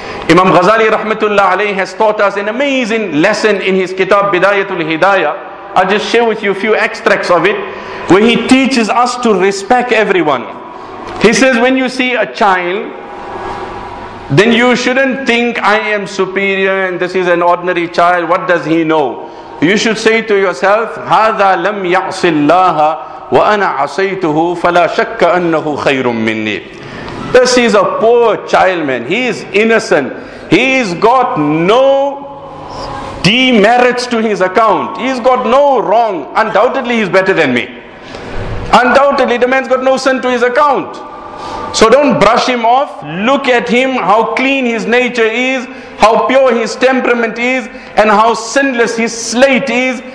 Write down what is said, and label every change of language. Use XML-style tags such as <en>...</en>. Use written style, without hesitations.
<en>Imam Ghazali rahmatullah alayhi has taught us an amazing lesson in his kitab Bidayatul Hidayah. I'll just share with you a few extracts of it, where he teaches us to respect everyone. He says, when you see a child, then you shouldn't think, I am superior and this is an ordinary child, what does he know? You should say to yourself,</en> <ar>هَذَا لَمْ يَعْصِ اللَّهَ وَأَنَا عَصَيْتُهُ فَلَا شَكَّ أَنَّهُ خَيْرٌ مِّنِّي.</ar> <en>This is a poor child, man. He is innocent. He's got no demerits to his account. He's got no wrong. Undoubtedly, he's better than me. Undoubtedly, the man's got no sin to his account. So don't brush him off. Look at him, how clean his nature is, how pure his temperament is, and how sinless his slate is.</en>